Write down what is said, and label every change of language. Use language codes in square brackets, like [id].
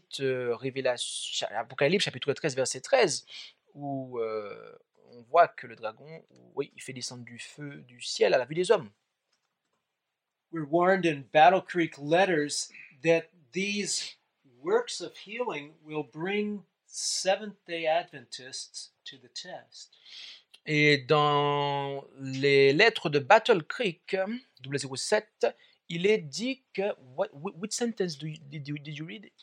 [fr] Elle cite Apocalypse chapitre 13 verset 13 où on voit que le dragon, oui, il fait descendre du feu du ciel à la vue des hommes. [en] We're warned in Battle Creek letters that these works of healing will bring Seventh-day Adventists to the test. [fr] Et dans les lettres de Battle Creek 007, il est dit que... [en] Which sentence did you read?